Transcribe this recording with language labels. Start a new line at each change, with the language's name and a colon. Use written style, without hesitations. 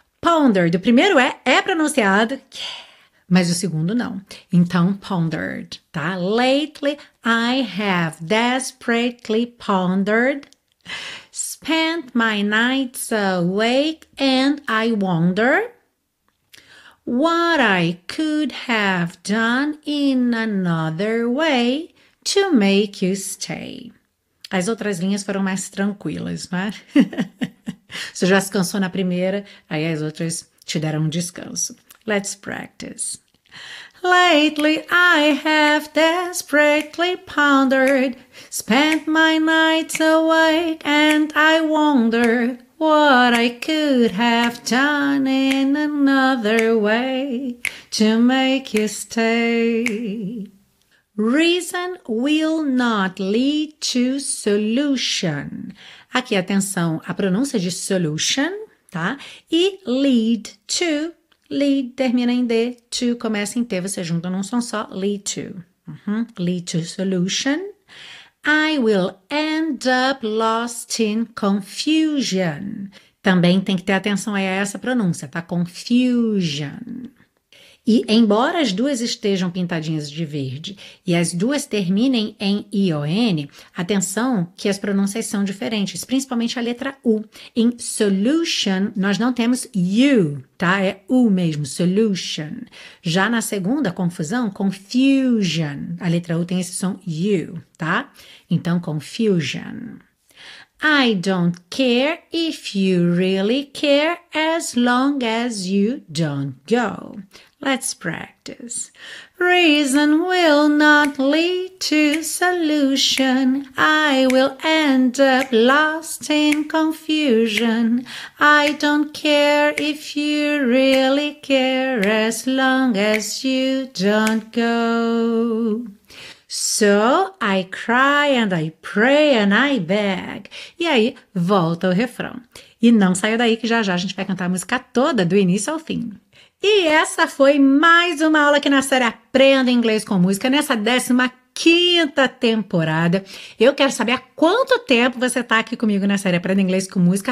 Portuguese: Pondered, o primeiro é pronunciado, mas o segundo não. Então, pondered, tá?
English: Lately, I have desperately pondered, spent my nights awake, and I wonder what I could have done in another way. To make you stay.
Portuguese: As outras linhas foram mais tranquilas, né? Você já se cansou na primeira, aí as outras te deram um descanso.
English: Let's practice. Lately I have desperately pondered, spent my nights awake, and I wonder what I could have done in another way to make you stay. Reason will not lead to solution.
Portuguese: Aqui, atenção à pronúncia de solution, tá? E lead to, lead termina em D, to começa em T, você junta num som só, lead to.
English: Lead to solution. I will end up lost in confusion.
Portuguese: Também tem que ter atenção aí a essa pronúncia, tá? Confusion. E embora as duas estejam pintadinhas de verde e as duas terminem em ION, atenção que as pronúncias são diferentes, principalmente a letra U. Em solution, nós não temos U, tá? É U mesmo, solution. Já na segunda, confusão, confusion. A letra U tem esse som U, tá? Então, confusion.
English: I don't care if you really care as long as you don't go. Let's practice. Reason will not lead to solution. I will end up lost in confusion. I don't care if you really care as long as you don't go. So I cry and I pray and I beg.
Portuguese: E aí, volta o refrão. E não saia daí que já a gente vai cantar a música toda do início ao fim. E essa foi mais uma aula aqui na série Aprenda Inglês com Música, nessa 15ª temporada. Eu quero saber há quanto tempo você está aqui comigo na série Aprenda Inglês com Música.